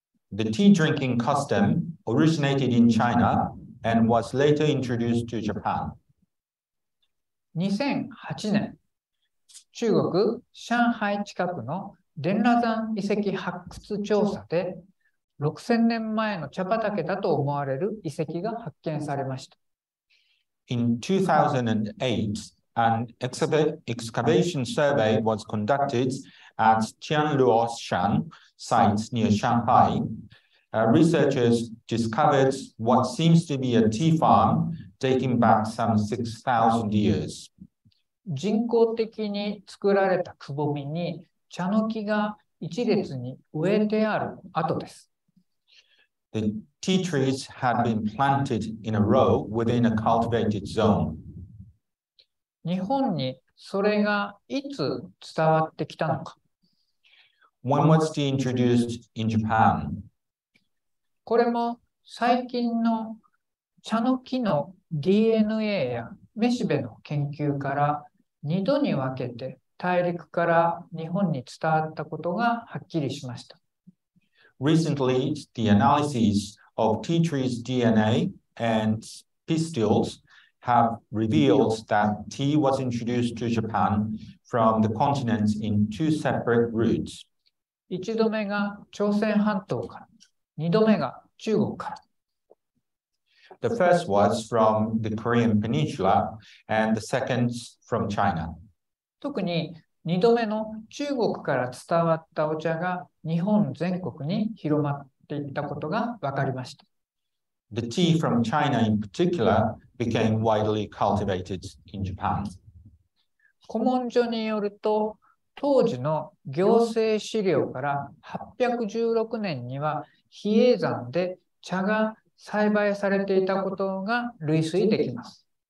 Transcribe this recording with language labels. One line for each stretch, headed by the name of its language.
English: The tea drinking custom originated in China and was later introduced to Japan.
Japanese: 2008年、中国上海近くの伝羅山遺跡発掘調査で、6000年前の茶畑だと思われる遺跡が発見されました。
English: In 2008, an excavation survey was conducted at Tianluoshan sites near Shanghai. Researchers discovered what seems to be a tea farm dating back some 6,000 years.
Japanese: 人工的に作られたくぼみに茶の木が一列に植えてある跡です。
English: The tea trees had been planted in a row within a cultivated zone.
Japanese: 日本にそれがいつ伝わってきたのか。
English: When was tea introduced in Japan?
Japanese: これも最近の茶の木の DNA やメシベの研究から2度に分けて大陸から日本に伝わったことがはっきりしました。
English: Recently, the analysis of tea trees DNA and pistils have revealed that tea was introduced to Japan from the continent in two separate routes.
Japanese: 1度目が朝鮮半島から、2度目が中国から。
English: The first was from the Korean Peninsula and the second from China.
Japanese: 特に 2度目の中国から伝わったお茶が日本全国に広まっていったことが分かりました。
English: The tea from China in particular became widely cultivated in Japan.
Japanese: 古文書によると、当時の行政資料から816年には比叡山で茶が栽培されていたことが類推できます。